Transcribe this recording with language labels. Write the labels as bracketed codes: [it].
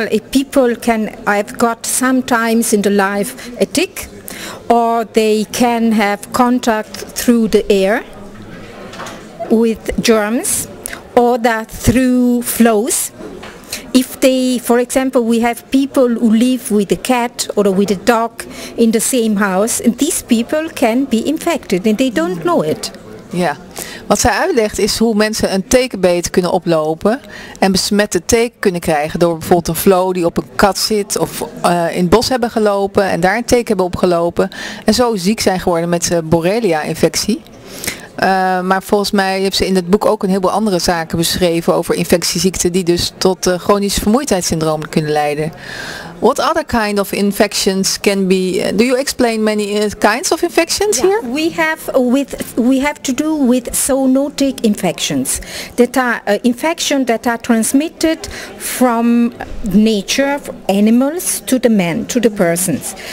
[en] If people can, I've got sometimes in the life a tick, or they can have contact through the air with germs, or that through flows. If they, for example, we have people who live with a cat or with a dog in the same house, and these people can be infected and they don't know it. Yeah. [nl] Wat zij uitlegt is hoe mensen een tekenbeet kunnen oplopen en besmette teken kunnen krijgen door bijvoorbeeld een vlo die op een kat zit of in het bos hebben gelopen en daar een teken hebben opgelopen en zo ziek zijn geworden met de Borrelia-infectie. Maar volgens mij heeft ze in het boek ook een heleboel andere zaken beschreven over infectieziekten die dus tot chronisch vermoeidheidssyndroom kunnen leiden. [en] What other kind of infections can be? Do you explain many kinds of infections here? We have to do with zoonotic infections. That are infections that are transmitted from nature, animals to the man, to the persons.